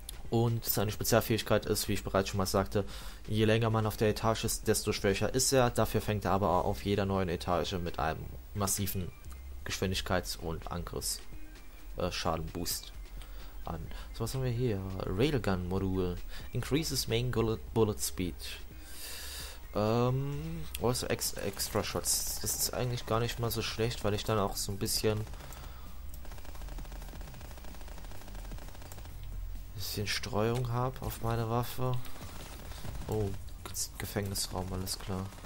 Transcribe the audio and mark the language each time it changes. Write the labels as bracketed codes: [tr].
[de] Und seine Spezialfähigkeit ist, wie ich bereits schon mal sagte, je länger man auf der Etage ist, desto schwächer ist er. Dafür fängt er aber auf jeder neuen Etage mit einem massiven Geschwindigkeits- und Angriffsschadenboost an. So, was haben wir hier? Railgun Modul. [en] Increases Main Bullet Speed. Also Extra Shots. [de] Das ist eigentlich gar nicht mal so schlecht, weil ich dann auch so ein bisschen Streuung habe auf meine Waffe. Oh, Gefängnisraum, alles klar.